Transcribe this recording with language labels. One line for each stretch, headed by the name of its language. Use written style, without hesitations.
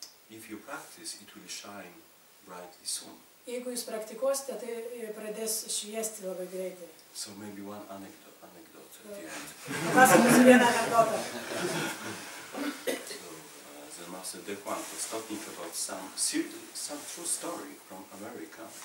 English: If you practice, it will shine brightly soon.
Lithuanian: Jeigu jūs praktikuosite, tai pradės šviesti labai greitai.
English: So maybe one anecdote at the end. The Master De Quan was talking about some true story from America.